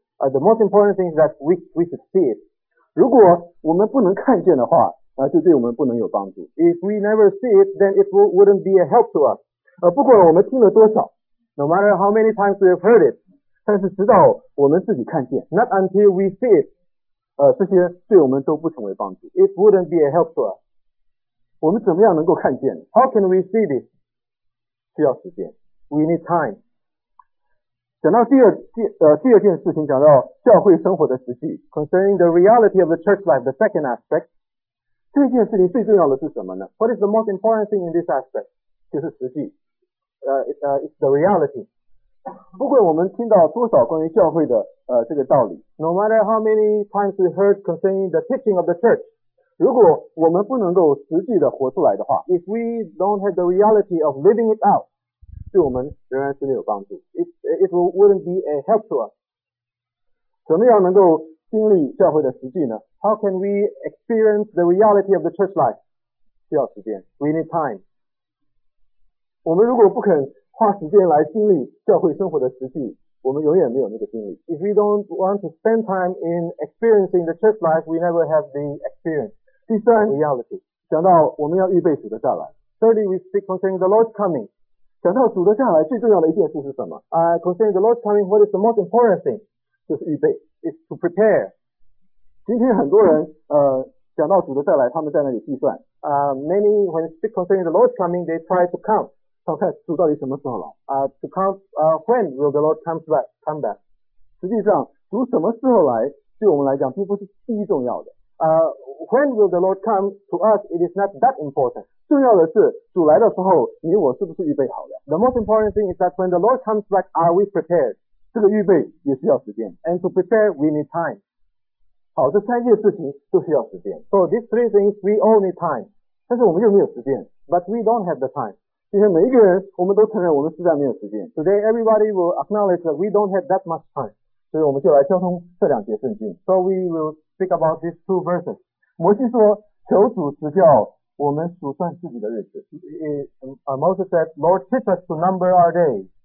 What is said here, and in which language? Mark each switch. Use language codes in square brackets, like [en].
[en] The most important thing is that we should see it. [zh] 如果我们不能看见的话就对我们不能有帮助。 [en] If we never see it, then it wouldn't be a help to us. [zh] 不管我们听了多少 [en] No matter how many times we have heard it. [zh] 但是直到我们自己看见 [en] Not until we see it. [zh] 这些对我们都不成为帮助。 [en] It wouldn't be a help to us. [zh] 我们怎么样能够看见 [en] How can we see this? [zh] 需要时间。 [en] We need time. [zh] 讲到第二件事情，讲到教会生活的实际。 [en] Concerning the reality of the church life, the second aspect. [zh] 这件事情最重要的是什么呢？ [en] What is the most important thing in this aspect? [zh] 就是实际。 [en] It's the reality. [zh] 不管我们听到多少关于教会的这个道理。 [en] No matter how many times we heard concerning the teaching of the church. [zh] 如果我们不能够实际的活出来的话。 [en] If we don't have the reality of living it out. [zh] 对我们仍然是没有帮助。 [en] It wouldn't be a help to us. [zh] 怎么样能够经历教会的实际呢？ [en] How can we experience the reality of the church life? [zh] 需要时间。 [en] We need time. [zh] 我们如果不肯花时间来经历教会生活的实际，我们永远没有那个经历。 [en] If we don't want to spend time in experiencing the church life, we never have the experience. [zh] 第三 [en] reality. [zh] 讲到我们要预备主的再来。 [en] Thirdly, we speak concerning the Lord's coming. [zh] 讲到主的下来最重要的一件事是什么 [en] concerning the Lord's coming, what is the most important thing? [zh] 就是预备。 [en] It's to prepare. [zh] 今天很多人讲到主的下来他们在那里计算。 [en] Many when speak concerning the Lord's coming, they try to count. [zh] 要看主到底什么时候来 [en] 啊、to come when will the Lord come back [zh] 实际上主什么时候来对我们来讲并不是第一重要的 [en] when will the Lord come to us it is not that important [zh] 重要的是主来的时候你我是不是预备好了 [en] the most important thing is that when the Lord comes back are we prepared [zh] 这个预备也需要时间 [en] and to prepare we need time [zh] 好这三件事情都需要时间 [en] so these three things we all need time [zh] 但是我们又没有时间 [en] but we don't have the time [zh] 今天每一个人我们都承认我们实在没有时间 [en] Today everybody will acknowledge that we don't have that much time [zh] 所以我们就来交通这两节圣经 [en] So we will speak about these two verses [zh] 摩西说求主指教我们数算自己的日子 [en] Moses said Lord teach us to number our days